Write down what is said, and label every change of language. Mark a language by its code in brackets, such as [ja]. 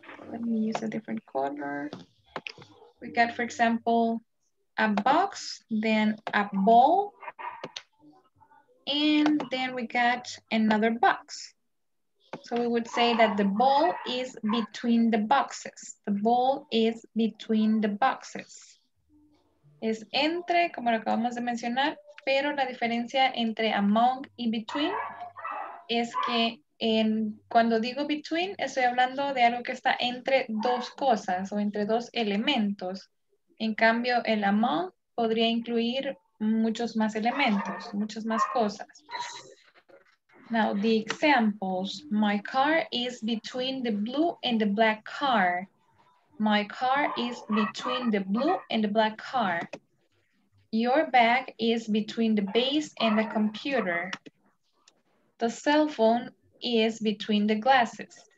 [en] Let me use a different color. We got, for example, a box, then a ball, and then we got another box. So we would say that the ball is between the boxes. The ball is between the boxes. [es] Es entre, como lo acabamos de mencionar, pero la diferencia entre among y between es que en, cuando digo between, estoy hablando de algo que está entre dos cosas o entre dos elementos. En cambio, el among podría incluir muchos más elementos, muchas más cosas. [en] Now, the examples. My car is between the blue and the black car. My car is between the blue and the black car. Your bag is between the base and the computer. The cell phone is between the glasses.